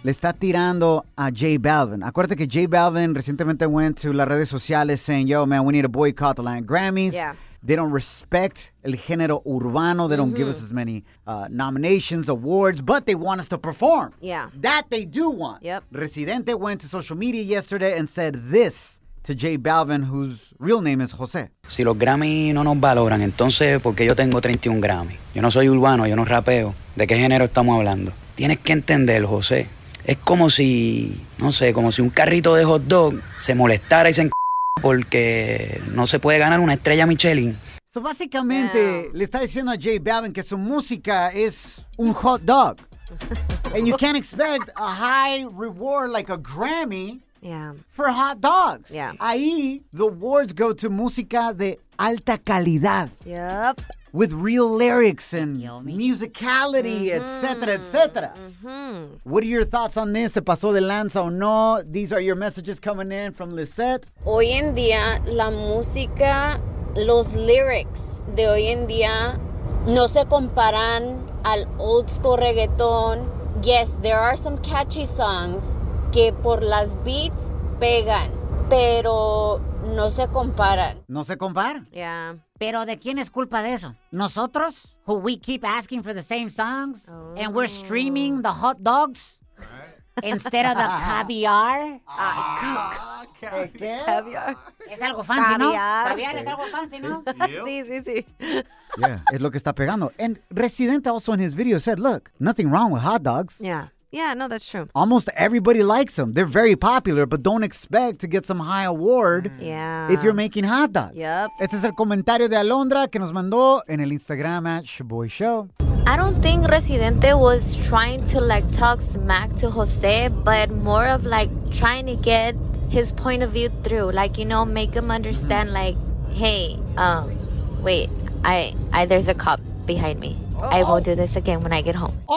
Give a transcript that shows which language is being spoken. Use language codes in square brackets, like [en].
[es] Le está tirando a J Balvin. Acuérdate que J Balvin recientemente [en] went to [es] las redes sociales [en] saying, yo, man, we need to boycott the Latin Grammys. Yeah. They don't respect [es] el género urbano. [en] They don't give us as many nominations, awards, but they want us to perform. Yeah. That they do want. Yep. Residente went to social media yesterday and said this to J Balvin, whose real name is Jose. [es] Si los Grammy no nos valoran, entonces, ¿por qué yo tengo 31 Grammy? Yo no soy urbano, yo no rapeo. ¿De qué género estamos hablando? Tienes que entender, José. Es como si, no sé, como si un carrito de hot dog se molestara y se porque no se puede ganar una estrella Michelin. So básicamente le está diciendo a J Balvin que su música es un hot dog. [en] And you can't expect a high reward like a Grammy for hot dogs. Yeah. [es] Ahí [en] the awards go to [es] música de alta calidad. [en] Yep. With real lyrics and musicality, etc., etc. What are your thoughts on this? [es] ¿Se pasó de lanza o no? [en] These are your messages coming in from Lisette. [es] Hoy en día, la música, los lyrics de hoy en día, no se comparan al [en] old school [es] reggaeton. [en] Yes, there are some catchy songs [es] que por las beats pegan, pero no se comparan. ¿No se comparan? [en] Yeah. [es] ¿Pero de quién es culpa de eso? ¿Nosotros? [en] Who we keep asking for the same songs? Oh. And we're streaming the hot dogs? Right. Instead of the caviar? Caviar. [es] Es algo fancy, caviar. ¿No? Caviar es algo fancy, ¿no? Sí. Yeah, es lo que está pegando. [en] And Residente also in his video said, look, nothing wrong with hot dogs. Yeah, no, that's true. Almost everybody likes them. They're very popular, but don't expect to get some high award if you're making hot dogs. Yep. [es] Este es el comentario de Alondra que nos mandó en el Instagram at Shaboy Show. [en] I don't think Residente was trying to, like, talk smack to Jose, but more of, like, trying to get his point of view through. Like, you know, make him understand, like, hey, wait, I there's a cop behind me. Uh-oh. I won't do this again when I get home.